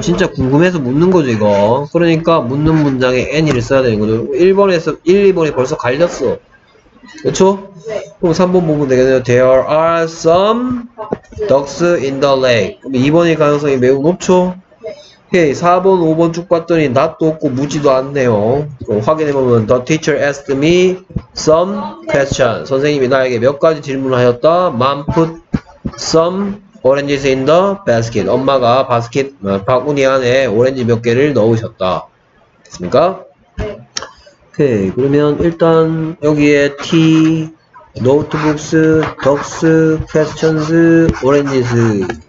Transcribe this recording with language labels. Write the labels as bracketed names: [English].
[Korean] 진짜 궁금해서 묻는 거죠, 이거. 그러니까 묻는 문장에 any를 써야 되는 거죠. 1번에서 1, 2번이 벌써 갈렸어. 그렇죠? 네. 그럼 3번 보면 되겠네요. [English] There are some ducks in the lake. [Korean] 그럼 2번일 가능성이 매우 높죠? 네. Hey, 4번, 5번 쭉 봤더니 낫도 없고 무지도 않네요. 그럼 확인해보면 [English] The teacher asked me some questions. [Korean] 선생님이 나에게 몇 가지 질문을 하셨다. [English] Mom put some oranges in the basket. [Korean] 엄마가 바스켓, 바구니 안에 오렌지 몇 개를 넣으셨다. 됐습니까? 네. 오케이. 그러면 일단 여기에 T, notebooks, ducks, questions, oranges.